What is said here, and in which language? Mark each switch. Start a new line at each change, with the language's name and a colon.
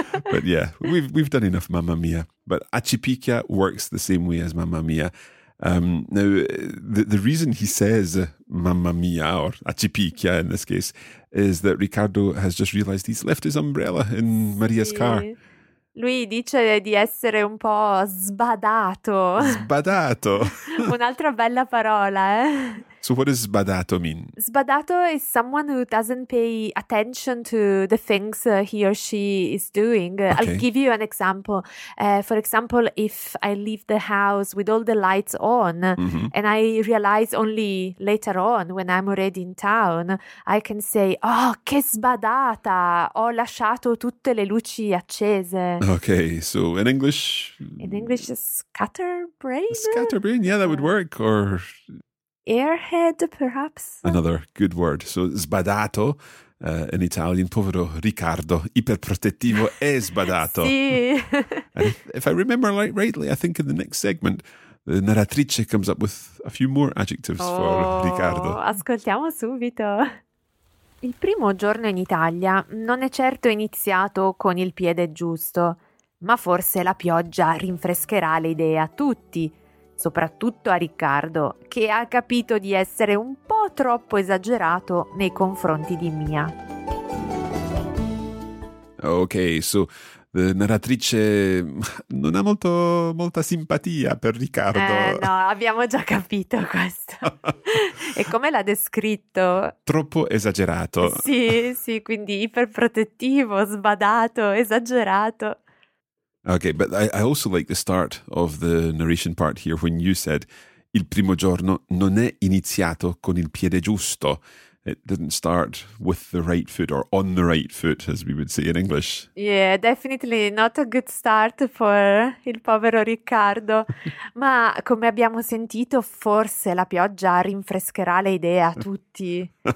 English: But yeah, we've done enough Mamma Mia. But Acipicchia works the same way as Mamma Mia. Now, the reason he says Mamma Mia or Acipicchia in this case is that Riccardo has just realized he's left his umbrella in Maria's car.
Italian: Lui dice di essere un po' sbadato. Sbadato. Un'altra bella parola, eh?
English: So what does sbadato mean? Sbadato is someone who doesn't pay attention to the things he or she is doing. Okay. I'll give you an example. For example, if I leave the house with all the lights on and I realize only later on when I'm already in town, I can say, oh,
Italian: che sbadata, ho lasciato tutte le luci accese.
English: Okay, so in English? In English, scatterbrain? Scatterbrain, yeah, that would work. Or airhead, perhaps. Another good word.
Italian: So sbadato,
English: in Italian,
Italian: povero Riccardo, iperprotettivo e sbadato. Sì.
English: If I remember rightly, I think in the next segment, the narratrice comes up with a few more adjectives for Riccardo.
Italian: Ascoltiamo subito. Il primo giorno in Italia non è certo iniziato con il piede giusto, ma forse la pioggia rinfrescherà le idee a tutti. Soprattutto a Riccardo, che ha capito di essere un po' troppo esagerato nei confronti di Mia. Ok, so, la narratrice non ha molta simpatia per Riccardo. No, abbiamo già capito questo. E come l'ha descritto? Troppo esagerato. Sì, sì, quindi iperprotettivo, sbadato, esagerato.
English: Okay, but I also like the start of the narration part here when you said
Italian: il primo giorno non è iniziato con il piede giusto.
English: It didn't start with the right foot or on the right foot, as we would say in English. Yeah, definitely not a good start for
Italian: il povero Riccardo. Ma come abbiamo sentito, forse la pioggia rinfrescherà le idee a tutti.